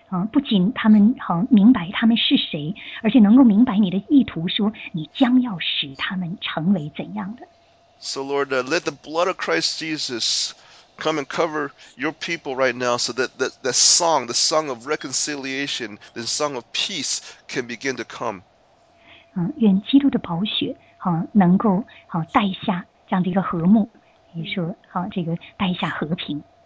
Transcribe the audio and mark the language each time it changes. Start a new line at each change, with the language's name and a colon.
Chinese: 不仅他们明白他们是谁，而且能够明白你的意图，说你将要使他们成为怎样的。
English: So Lord, let the blood of Christ Jesus come and cover your people right now, so that that song, the song of reconciliation, the song of peace, can begin to come.
Chinese: 愿基督的宝血能够带下这样的一个和睦，也说这个带下和平。